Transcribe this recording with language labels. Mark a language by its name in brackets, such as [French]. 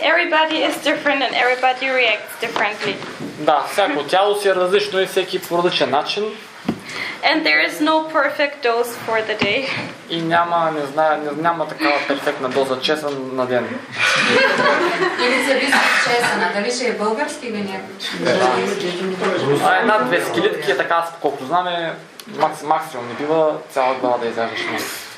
[English] Everybody is different and everybody reacts differently. [Bulgarian] Да, всяко тяло си е различно и всеки по различен начин. [English] And there is no perfect dose for the day. [Bulgarian] И няма, не знаю, няма такава перфектна доза чесън на ден. Или зависи от чесъна, дали ще е български или някакъв. Една-две скелетки е така, колкото знам е максимум. Не бива цяла глава да изяжеш мис.